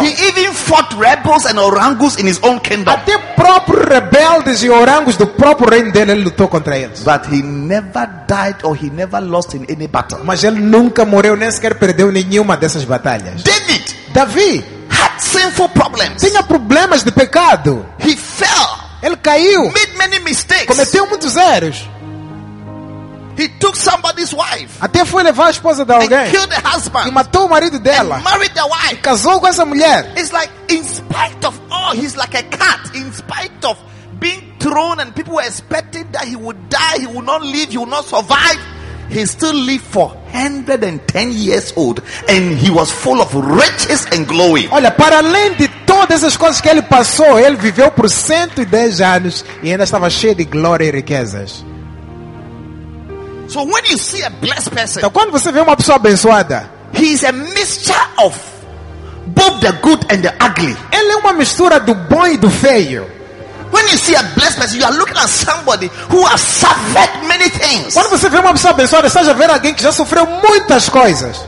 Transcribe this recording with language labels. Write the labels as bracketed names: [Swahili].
[English] He even fought rebels and orangus in his own kingdom. [Portuguese] Até próprios rebeldes e orangus do próprio reino dele, ele lutou contra eles. [English] But he never died or he never lost in any battle. [Portuguese] Mas ele nunca morreu nem sequer perdeu nenhuma dessas batalhas. [English] Davi had sinful problems. [Portuguese] Tinha problemas de pecado. [English] He fell. [Portuguese] Ele caiu. [English] Made many mistakes. [Portuguese] Cometeu muitos erros. [English] He took somebody's wife. [Portuguese] Até foi levar a esposa de alguém. [English] And killed the husband. [Portuguese] E matou o marido dela. [English] And married the wife. [Portuguese] E casou com essa mulher. [English] It's like, in spite of all, he's like a cat. In spite of being thrown and people were expecting that he would die, he would not live, he would not survive. He still lived for 110 years old and he was full of riches and glory. [Portuguese] Olha, para além de todas as coisas que ele passou, ele viveu por 110 anos e ainda estava cheio de glória e riquezas. [English] So when you see a blessed person, [Portuguese] então, quando você vê uma pessoa abençoada, [English] he is a mixture of both the good and the ugly. [Portuguese] Ele é uma mistura do bom e do feio. [English] When you see a blessed person, you are looking at somebody who has suffered many things. [Portuguese] Quando você vê uma pessoa abençoada, está a ver alguém que já sofreu muitas coisas.